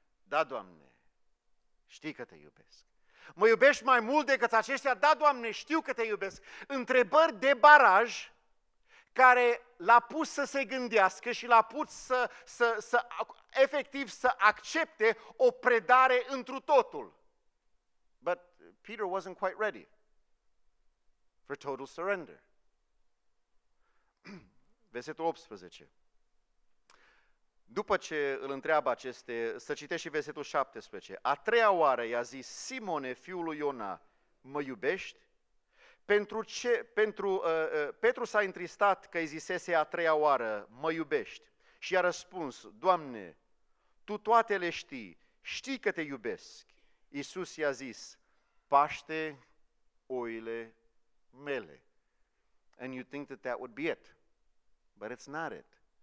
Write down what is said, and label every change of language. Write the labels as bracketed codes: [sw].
[ro] Da, Doamne, știi că te iubesc. Mă iubești mai mult decât aceștia? Da, Doamne, știu că te iubesc. Întrebări de baraj care l-a pus să se gândească și l-a pus să efectiv să accepte o predare întru totul. [en] But Peter wasn't quite ready for total surrender. [ro] Versetul 18. După ce îl întreabă aceste, să citești și versetul 17. A treia oară i-a zis, Simone, fiul lui Iona, mă iubești? Pentru ce? Petru s-a întristat că îi zisese a treia oară, mă iubești. Și i-a răspuns, Doamne, Tu toate le știi, știi că te iubesc. Iisus i-a zis, paște oile mele. [en] And you think that that would be it, but it's not it.